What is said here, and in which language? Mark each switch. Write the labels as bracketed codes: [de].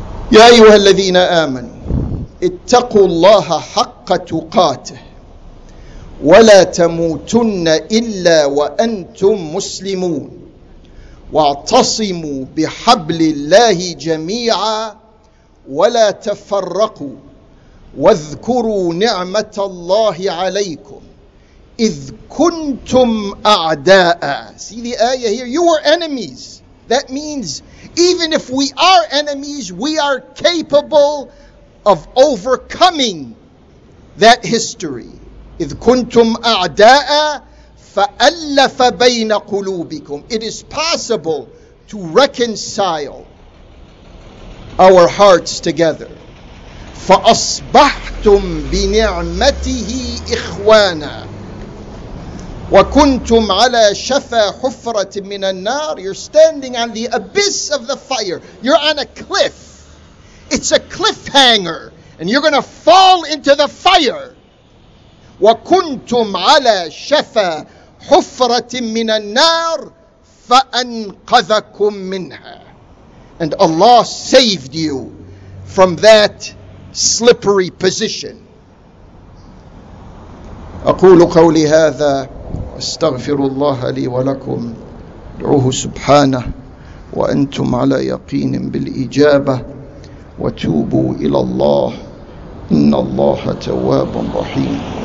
[ar] Ya ayyuha alladhina amanu ittaqullaha haqqa tuqatih wa la tamutunna illa wa antum muslimun wa'tasimu bihablillahi jami'a wa la tafarraqu واذكروا نعمة الله عليكم إذ كنتم أعداء. [en] See the ayah here? You are enemies. That means even if we are enemies, we are capable of overcoming that history. [ar] إذ كنتم أعداء فألف بين قلوبكم. [en] It is possible to reconcile our hearts together. [ar] فَأَصْبَحْتُمْ بِنِعْمَتِهِ إِخْوَانًا وَكُنْتُمْ عَلَى شَفَى حُفْرَةٍ مِّنَ النَّارِ. [en] You're standing on the abyss of the fire. You're on a cliff. It's a cliffhanger. And you're going to fall into the fire. [ar] وَكُنْتُمْ عَلَى شَفَى حُفْرَةٍ مِّنَ النَّارِ فَأَنْقَذَكُمْ مِّنْهَا. [en] And Allah saved you from that slippery position. [ar] أقول قولي هذا أستغفر الله لي ولكم دعوه سبحانه وأنتم على يقين بالإجابة وتوبوا إلى الله إن الله تواب رحيم.